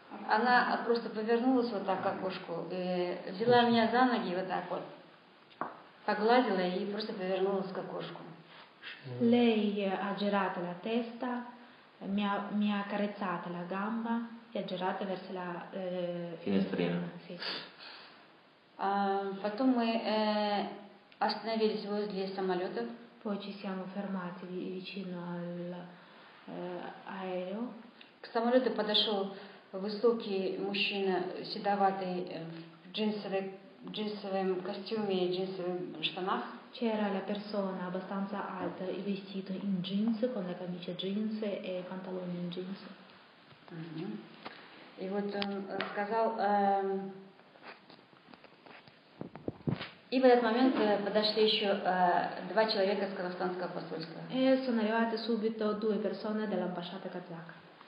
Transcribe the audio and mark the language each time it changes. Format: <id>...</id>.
<ru>Она просто повернулась вот так к окошку, взяла меня за ноги вот так вот, погладила и просто повернулась к окошку.</ru> <it>Lei ha girato la testa. Mi ha carezzato la gamba e ha girato verso la finestrina. Sì.</it> <ru>Потом мы остановились возле самолета.</ru> <it>Poi ci siamo fermati vicino al aereo.</it> <ru>К самолету подошел высокий мужчина, седоватый, в джинсовом костюме и джинсовых штанах.</ru> <it>C'era la persona abbastanza alta e vestito in jeans, con la camicia jeans e pantaloni in jeans.</it> <ru>E вот он сказал, и в этот момент подошли еще два человека из казахстанского посольства.</ru> <it>E sono arrivate subito due persone dell'ambasciata kazaka.</it>